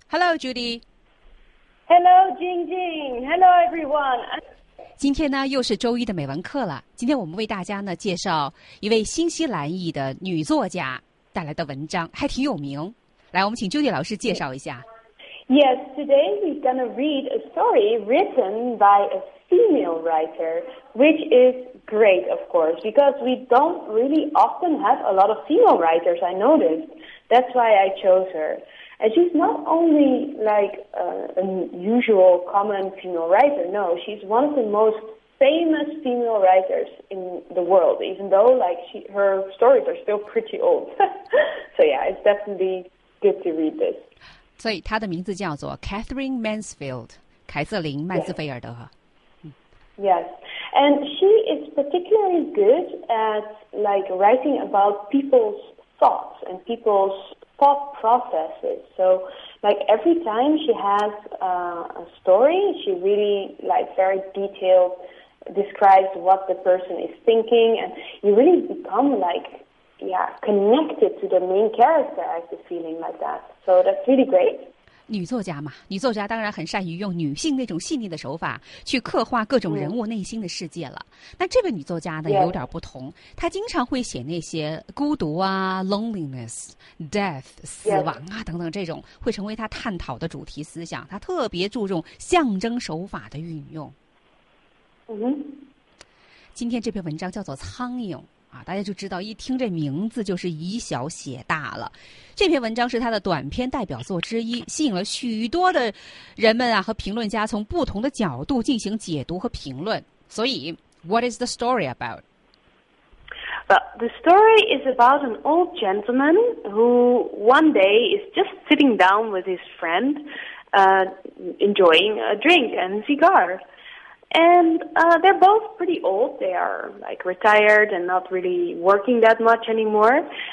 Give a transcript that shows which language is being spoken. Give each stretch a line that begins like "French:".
English: Hello Judy。 Hello 晶晶。Hello everyone。
Chinese: 今天呢又是周一的美文课了，今天我们为大家呢介绍一位新西兰裔的女作家带来的文章，还挺有名，来我们请 Judy 老师介绍一下。
English: Yes, today we're going to read a story written by a female writer, which is great of course, because we don't really often have a lot of female writers, I noticed. That's why I chose her. And she's not only like an usual common female writer, no, she's one of the most famous female writers in the world, even though like her stories are still pretty old. So yeah, it's definitely good to read this.
Chinese: 所以她的名字叫做 Catherine Mansfield, 凯瑟琳·曼斯菲尔德。
English: Yes, and she is particularly good at like writing about people's thoughts and people's thought processes. So like every time she has a story, she really like very detailed describes what the person is thinking, and you really become like, yeah, connected to the main character. I have a feeling like that. So that's really great.
Chinese: 女作家嘛，女作家当然很善于用女性那种细腻的手法去刻画各种人物内心的世界了。那这位女作家呢，有点不同，她经常会写那些孤独啊
English: loneliness, death,
Chinese: 死亡啊等等，这种会成为她探讨的主题思想。她特别注重象征手法的运用。今天这篇文章叫做苍蝇啊，大家就知道一听这名字就是以小写大了。这篇文章是他的短篇代表作之一，吸引了许多的人们啊和评论家从不同的角度进行解读和评论。所以
English: What is the story about? Well, the story is about an old gentleman who one day is just sitting down with his friend enjoying a drink and cigar. And they're both pretty old. They are like retired and not really working that much anymore.